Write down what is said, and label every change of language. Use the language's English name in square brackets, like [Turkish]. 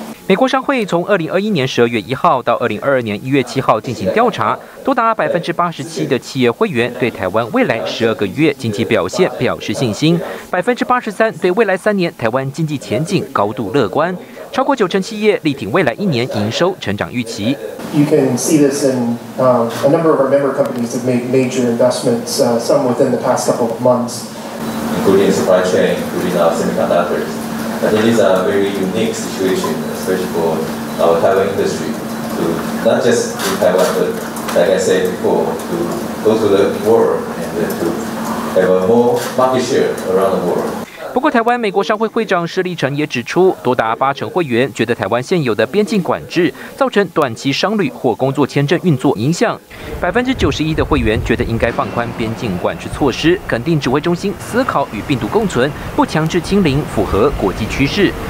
[Chinese] 美国商会从2021年12月1号到2022年1月7号进行调查，多达87%的企业会员对台湾未来12个月经济表现表示信心，83%对未来3年台湾经济前景高度乐观，超过90%企业力挺未来1年营收成长预期。 [English] You can see this in a number of our member companies have made major investments, some within the past couple of months, including supply chain, including our semiconductors. I think this is a very unique situation. For our Taiwan industry, to not just in Taiwan, but like I said before, to go to the world and to have a more market share around the world. [Chinese] 不过台湾美国商会会长施立成也指出，多达80%会员觉得台湾现有的边境管制造成短期商旅或工作签证运作影响，91%的会员觉得应该放宽边境管制措施，肯定指挥中心思考与病毒共存，不强制清零，符合国际趋势。